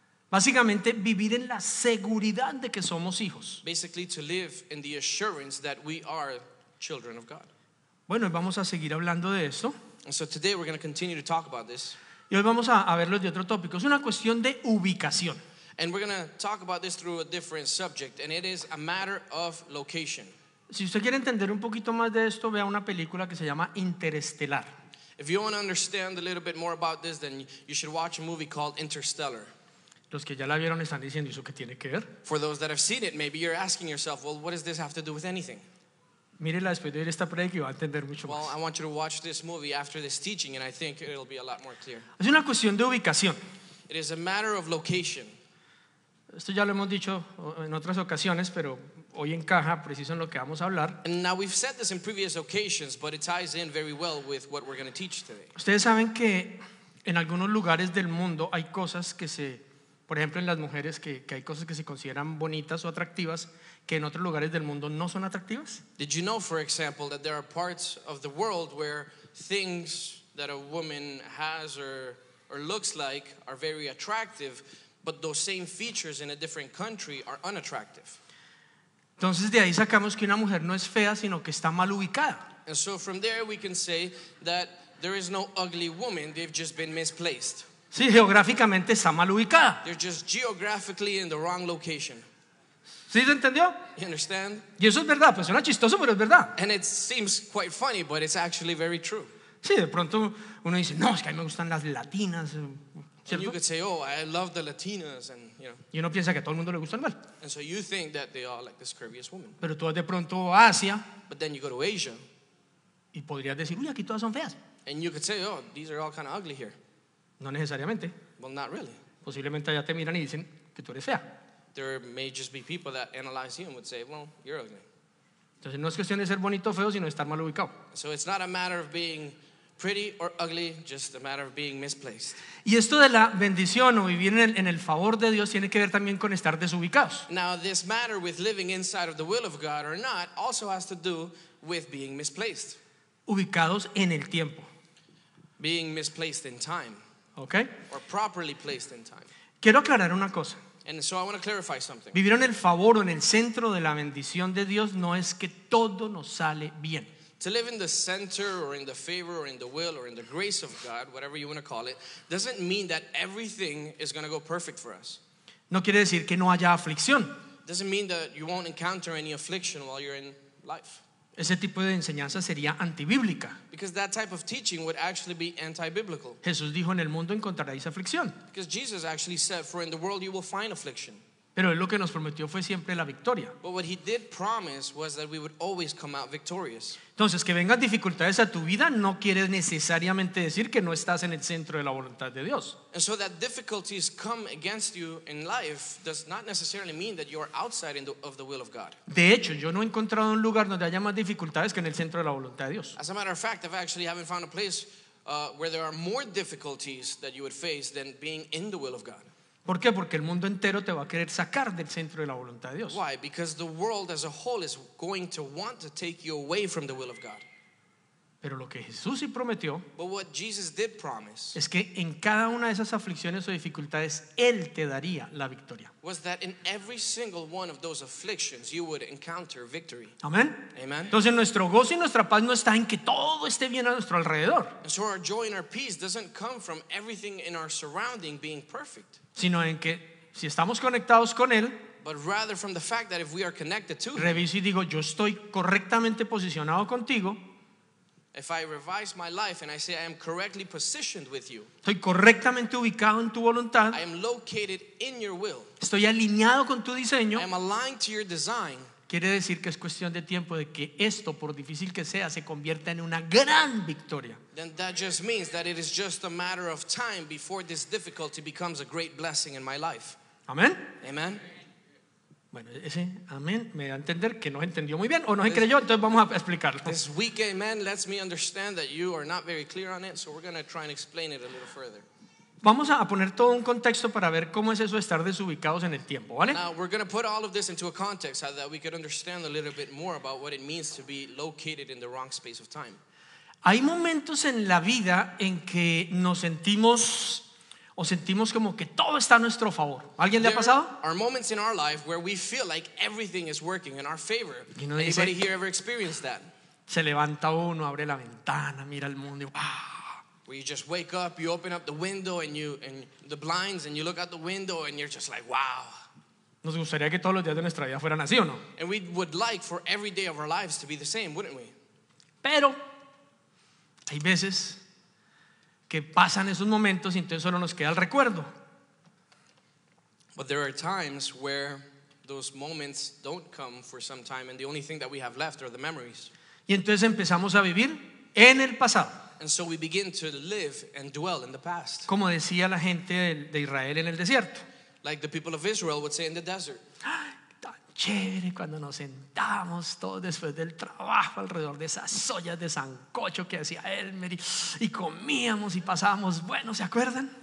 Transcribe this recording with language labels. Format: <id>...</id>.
<es>Básicamente vivir en la seguridad de que somos hijos.</es> <en>Basically to live in the assurance that we are children of God.</en> <es>Bueno, vamos a seguir hablando de esto.</es> <en>And so today we're going to continue to talk about this.</en> <es>Y hoy vamos a verlo de otro tópico. Es una cuestión de ubicación.</es> <en>And we're going to talk about this through a different subject, and it is a matter of location.</en> <es>Si usted quiere entender un poquito más de esto, vea una película que se llama Interestelar.</es> <en>If you want to understand a little bit more about this, then you should watch a movie called Interstellar.</en> <es>Los que ya la vieron están diciendo, ¿eso qué tiene que ver?</es> <en>For those that have seen it, maybe you're asking yourself, well, what does this have to do with anything?</en> <es>Mírela después de ver esta predica y va a entender mucho</es> <en>well,</en> <es>más.</es> <en>Well, I want you to watch this movie after this teaching, and I think it'll be a lot more clear.</en> <es>Es una cuestión de ubicación.</es> <en>It is a matter of location.</en> <es>Esto ya lo hemos dicho en otras ocasiones, pero hoy encaja preciso en lo que vamos a hablar.</es> <en>And now we've said this in previous occasions, but it ties in very well with what we're going to teach today.</en> <es>Ustedes saben que en algunos lugares del mundo hay cosas que se, por ejemplo, en las mujeres que hay cosas que se consideran bonitas o atractivas que en otros lugares del mundo no son atractivas.</es> <en>Did you know, for example, that there are parts of the world where things that a woman has or looks like are very attractive, but those same features in a different country are unattractive?</en> <es>Entonces de ahí sacamos que una mujer no es fea, sino que está mal ubicada.</es> <en>And so from there we can say that there is no ugly woman, they've just been misplaced.</en> <es>Sí, geográficamente está mal ubicada.</es> <en>They're just geographically in the wrong location.</en> <es>¿Sí se entendió?</es> <en>You understand?</en> <es>Y eso es verdad, pues suena chistoso, pero es verdad.</es> <en>And it seems quite funny, but it's actually very true.</en> <es>Sí, de pronto uno dice, no, es que a mí me gustan las latinas. ¿Cierto?</es> <en>And you could say, oh, I love the latinas, and you know.</en> <es>Y uno piensa que a todo el mundo le gustan mal.</es> <en>And so you think that they are like this curviest woman.</en> <es>Pero tú vas de pronto a Asia.</es> <en>But then you go to Asia.</en> <es>Y podrías decir, uy, aquí todas son feas.</es> <en>And you could say, oh, these are all kind of ugly here.</en> <es>No necesariamente.</es> <en>Well, not really.</en> <es>Posiblemente allá te miran y dicen que tú eres fea.</es> <en>There may just be people that analyze you and would say, well, you're ugly.</en> <es>Entonces no es cuestión de ser bonito o feo, sino de estar mal ubicado.</es> <en>So it's not a matter of being pretty or ugly, just a matter of being misplaced.</en> <es>Y esto de la bendición o vivir en el favor de Dios tiene que ver también con estar desubicados.</es> <en>Now this matter with living inside of the will of God or not also has to do with being misplaced.</en> <es>Ubicados en el tiempo.</es> <en>Being misplaced in time. Okay? Or properly placed in time.</en> <es>Quiero aclarar una cosa.</es> <en>And so I want to clarify something.</en> <es>Vivir en el favor o en el centro de la bendición de Dios no es que todo nos sale bien.</es> <en>To live in the center or in the favor or in the will or in the grace of God, whatever you want to call it, doesn't mean that everything is going to go perfect for us.</en> <es>No quiere decir que no haya aflicción.</es> <en>Doesn't mean that you won't encounter any affliction while you're in life.</en> <es>Ese tipo de enseñanza sería antibíblica.</es> <en>Because that type of teaching would actually be anti-biblical.</en> <es>Jesús dijo, en el mundo encontraréis aflicción.</es> <en>Because Jesus actually said, for in the world you will find affliction.</en> <es>Pero él lo que nos prometió fue siempre la victoria.</es> <en>But what he did promise was that we would always come out victorious.</en> <es>Entonces, que vengan dificultades a tu vida no quiere necesariamente decir que no estás en el centro de la voluntad de Dios.</es> <en>And so that difficulties come against you in life does not necessarily mean that you are outside of the will of God.</en> <es>De hecho, yo no he encontrado un lugar donde haya más dificultades que en el centro de la voluntad de Dios.</es> <en>As a matter of fact, I actually haven't found a place where there are more difficulties that you would face than being in the will of God.</en> <es>¿Por qué? Porque el mundo entero te va a querer sacar del centro de la voluntad de Dios.</es> <en>Why? Because the world as a whole is going to want to take you away from the will of God.</en> <es>Pero lo que Jesús sí prometió,</es> <en>but what Jesus did promise,</en> <es>es que en cada una de esas aflicciones o dificultades él te daría la victoria.</es> <en>Was that in every single one of those afflictions you would encounter victory.</en> <es>Amen.</es> <en>Amen.</en> <es>Entonces nuestro gozo y nuestra paz no está en que todo esté bien a nuestro alrededor.</es> <en>And so our joy and our peace doesn't come from everything in our surrounding being perfect.</en> <es>Sino en que si estamos conectados con él,</es> <en>but rather from the fact that if we are connected to him,</en> <es>reviso y digo, yo estoy correctamente posicionado contigo.</es> <en>If I revise my life and I say I am correctly positioned with you,</en> <es>estoy correctamente ubicado en tu voluntad,</es> <en>I am located in your will,</en> <es>estoy alineado con tu diseño,</es> <en>I am aligned to your design,</en> <es>quiere decir que es cuestión de tiempo de que esto, por difícil que sea, se convierta en una gran victoria.</es> <en>Then that just means that it is just a matter of time before this difficulty becomes a great blessing in my life.</en> <es>Amen.</es> <en>Amen.</en> <es>Bueno, ese amén me da a entender que no entendió muy bien o no se creyó, entonces vamos a explicarlo.</es> <en>This weak amen lets me understand that you are not very clear on it, so we're going to try and explain it a little further.</en> <es>Vamos a poner todo un contexto para ver cómo es eso de estar desubicados en el tiempo, ¿vale?</es> <en>Now, we're going to put all of this into a context so that we could understand a little bit more about what it means to be located in the wrong space of time.</en> <es>Hay momentos en la vida en que nos sentimos... o sentimos como que todo está a nuestro favor. ¿Alguien le ha pasado?</es> <en>There are moments in our life where we feel like everything is working in our favor. You know, anybody here ever experienced that?</en> <es>Se levanta uno, abre la ventana, mira el mundo y wow.</es> <en>Where you just wake up, you open up the window and you and the blinds and you look out the window and you're just like wow.</en> <es>Nos gustaría que todos los días de nuestra vida fueran así, ¿o no?</es> <en>And we would like for every day of our lives to be the same, wouldn't we?</en> <es>Pero hay veces que pasan esos momentos y entonces solo nos queda el recuerdo.</es> <en>But there are times where those moments don't come for some time and the only thing that we have left are the memories.</en> <es>Y entonces empezamos a vivir en el pasado.</es> <en>And so we begin to live and dwell in the past.</en> <es>Como decía la gente de Israel en el desierto.</es> <en>Like the people of Israel would say in the desert.</en> <es>Chévere cuando nos sentamos todos después del trabajo alrededor de esas ollas de sancocho que hacía Elmer y comíamos y pasábamos bueno, ¿se acuerdan?</es>